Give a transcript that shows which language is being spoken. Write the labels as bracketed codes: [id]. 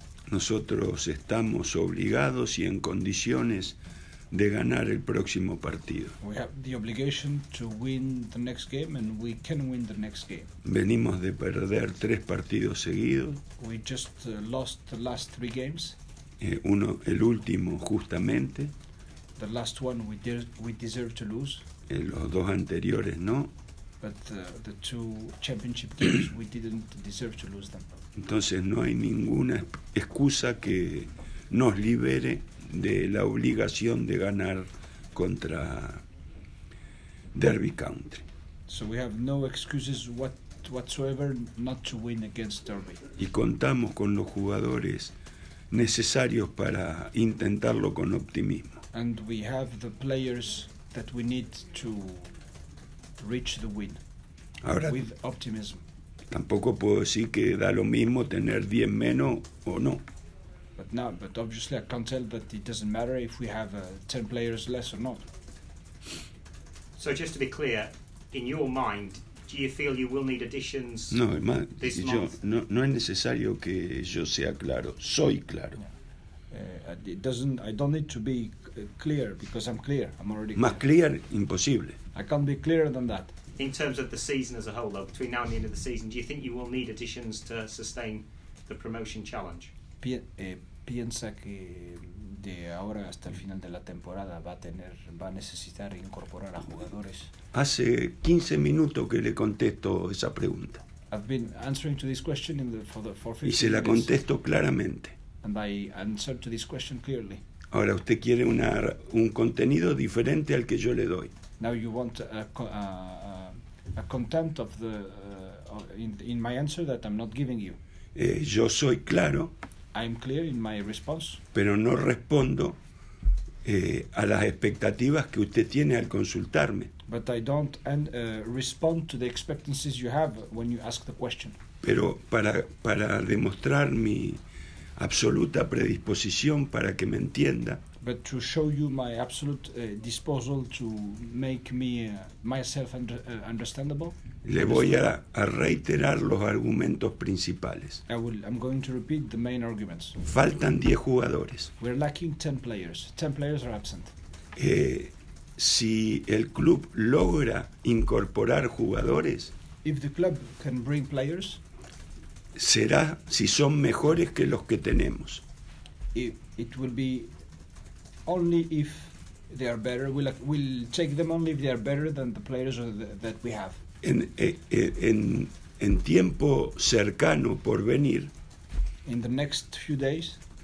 [es] Nosotros estamos obligados y en condiciones de ganar el próximo partido. [en] We have the obligation to win the next game and we can win the next game. [es] Venimos de perder 3 partidos seguidos. [en] We just lost the last 3 games. [es] El último justamente. [en] The last one we deserve to lose. [es] Los dos anteriores no. [en] But the 2 championship games we didn't deserve to lose them. [es] Entonces no hay ninguna excusa que nos libere de la obligación de ganar contra Derby County. [en] So we have no excuses whatsoever not to win against Derby. [es] Y contamos con los jugadores necesarios para intentarlo con optimismo. [en] And we have the players that we need to reach the win. [es] Ahora, [en] with optimism. [es] Tampoco puedo decir que da lo mismo tener 10 menos o no. [en] But obviously I can't tell that it doesn't matter if we have 10 players less or not. So just to be clear, in your mind, do you feel you will need additions no, this month? [es] Yo, no, no es necesario que yo sea claro. Soy claro. [en] Yeah. I don't need to be clear because I'm clear. I'm already clear. [es] Más clear, imposible. [en] I can't be clearer than that. In terms of the season as a whole, though, between now and the end of the season, do you think you will need additions to sustain the promotion challenge? [es] Piensa que de ahora hasta el final de la temporada va a necesitar incorporar a jugadores. Hace 15 minutos que le contesto esa pregunta. [en] I've been answering to this question for 15 [es] y se la contesto claramente. [en] And I answered to this question clearly. [es] Ahora usted quiere un contenido diferente al que yo le doy. [en] Now you want a content of the in my answer that I'm not giving you. [es] Yo soy claro. [en] I'm clear in my response. [es] Pero no respondo a las expectativas que usted tiene al consultarme. [en] But I don't respond to the expectancies you have when you ask the question. [es] Pero para demostrar mi absoluta predisposición para que me entienda. [en] But to show you my absolute disposal to make me myself understandable. [es] Le voy a reiterar los argumentos principales. [en] I'm going to repeat the main arguments. [es] Faltan 10 jugadores. [en] We're lacking 10 players. 10 players are absent. [es] Si el club logra incorporar jugadores, [en] if the club can bring players, [es] será si son mejores que los que tenemos. [en] It will be only if they are better. We'll take them only if they are better than the players that we have. [es] En tiempo cercano por venir, [en] in the next few days,